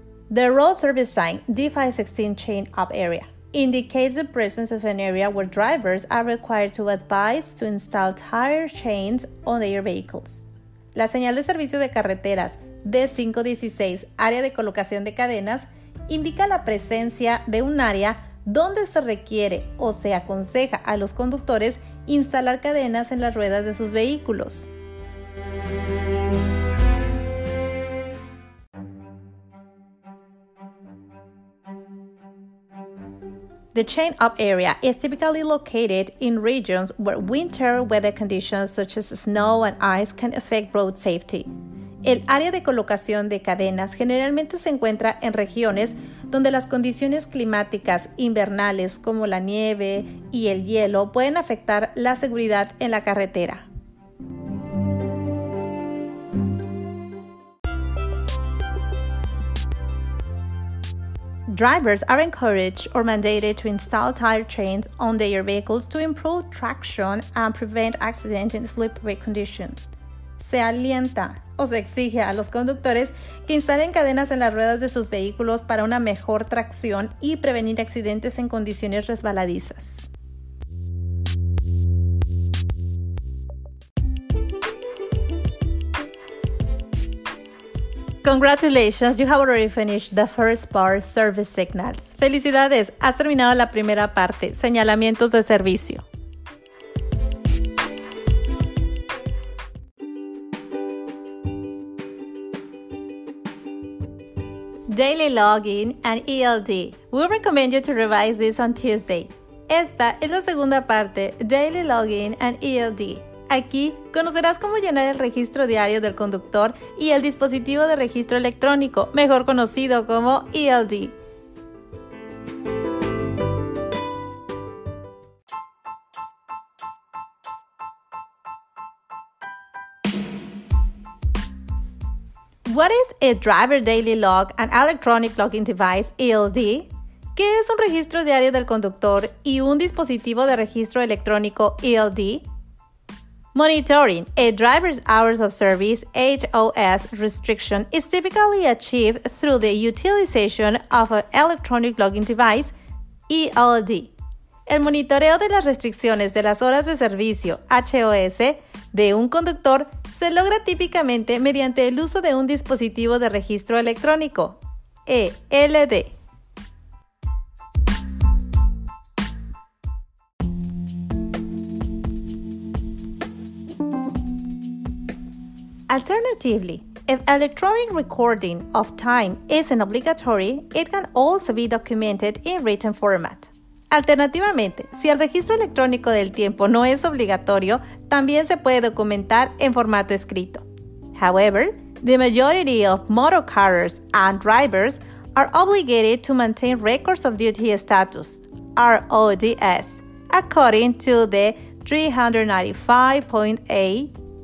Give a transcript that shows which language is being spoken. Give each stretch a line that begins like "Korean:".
English: The road service sign D516 Chain Up Area indicates the presence of an area where drivers are required to advise to install tire chains on their vehicles.
Spanish: La señal de servicio de carreteras D516, área de colocación de cadenas, indica la presencia de un área donde se requiere o se aconseja a los conductores instalar cadenas en las ruedas de sus vehículos.
English: The chain-up area is typically located in regions where winter weather conditions such as snow and ice can affect road safety.
Spanish: El área de colocación de cadenas generalmente se encuentra en regiones donde las condiciones climáticas invernales como la nieve y el hielo pueden afectar la seguridad en la carretera.
English: drivers are encouraged or mandated to install tire chains on their vehicles to improve traction and prevent accidents in slippery conditions.
Spanish: Se alienta o se exige a los conductores que instalen cadenas en las ruedas de sus vehículos para una mejor tracción y prevenir accidentes en condiciones resbaladizas.
English: Congratulations, you have already finished the first part, service signals.
Spanish: Felicidades, has terminado la primera parte, señalamientos de servicio.
English: Daily Login and ELD. We recommend you to revise this on Tuesday.
Spanish: Esta es la segunda parte,
English: Daily Login and ELD.
Spanish: Aquí conocerás cómo llenar el registro diario del conductor y el dispositivo de registro electrónico, mejor conocido como ELD.
English: What is a Driver Daily Log and Electronic Logging Device, ELD?
Spanish: ¿Qué es un registro diario del conductor y un dispositivo de registro electrónico, ELD?
English: Monitoring a driver's hours of service, HOS, restriction is typically achieved through the utilization of an electronic logging device, ELD.
Spanish: El monitoreo de las restricciones de las horas de servicio, HOS, de un conductor se logra típicamente mediante el uso de un dispositivo de registro electrónico, ELD.
English: Alternatively, if electronic recording of time isn't obligatory, it can also be documented in written format.
Spanish: Alternativamente, si el registro electrónico del tiempo no es obligatorio, también se puede documentar en formato escrito.
English: However, the majority of motor carriers and drivers are obligated to maintain records of duty status, RODS, according to the 395.8.